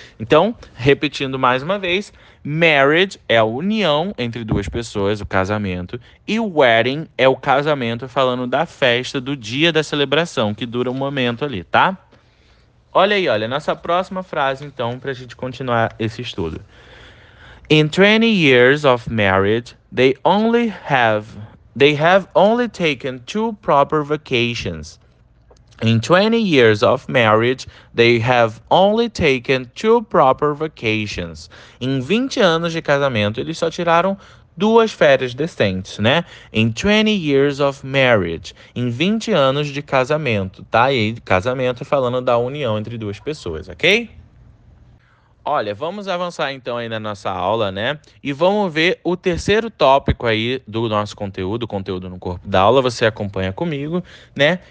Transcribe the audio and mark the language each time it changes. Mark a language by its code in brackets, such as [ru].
[pt] Então, repetindo mais uma vez, marriage é a união entre duas pessoas, o casamento, e wedding é o casamento, falando da festa, do dia da celebração, que dura um momento ali, tá? Olha aí, olha, nossa próxima frase, então, para a gente continuar esse estudo. [en] In 20 years of marriage, they have only taken 2 proper vacations. In 20 years of marriage, they have only taken 2 proper vacations. [pt] Em 20 anos de casamento, eles só tiraram 2 férias decentes, né? [en] In 20 years of marriage. [pt] Em 20 anos de casamento, tá? E casamento falando da união entre duas pessoas, ok? Olha, vamos avançar então aí na nossa aula, né? E vamos ver o terceiro tópico aí do nosso conteúdo, conteúdo no corpo da aula, você acompanha comigo, né?